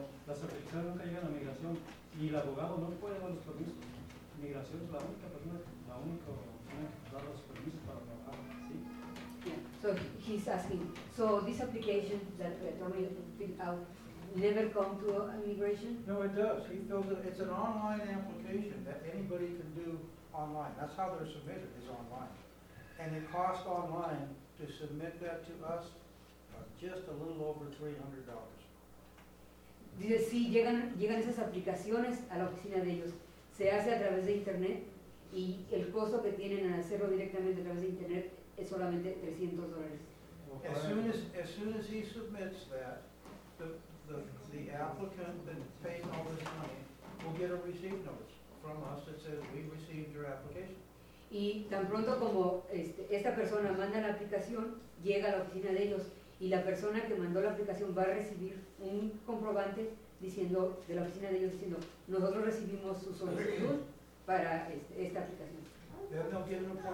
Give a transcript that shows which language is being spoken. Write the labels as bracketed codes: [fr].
[es] Las aplicaciones nunca llegan a migración y el abogado no puede dar los permisos. Migración es la única persona, la única que da los permisos para trabajar. Sí. [en] So he's asking, so this application that the attorney filled out never come to immigration? No, it does. He fills it. It's an online application that anybody can do online. That's how they're submitted, is online. And it costs online to submit that to us just a little over $300. [es] Dice, sí, llegan esas aplicaciones a la oficina de ellos. Se hace a través de internet y el costo que tienen en hacerlo directamente a través de internet es solamente $300. [en] As soon as he submits that, the applicant that pays all this money will get a receipt notice from us that says we received your application. [es] Y tan pronto como esta persona manda la aplicación, llega a la oficina de ellos y la persona que mandó la aplicación va a recibir un comprobante diciendo de la oficina de ellos diciendo nosotros recibimos su solicitud para esta aplicación.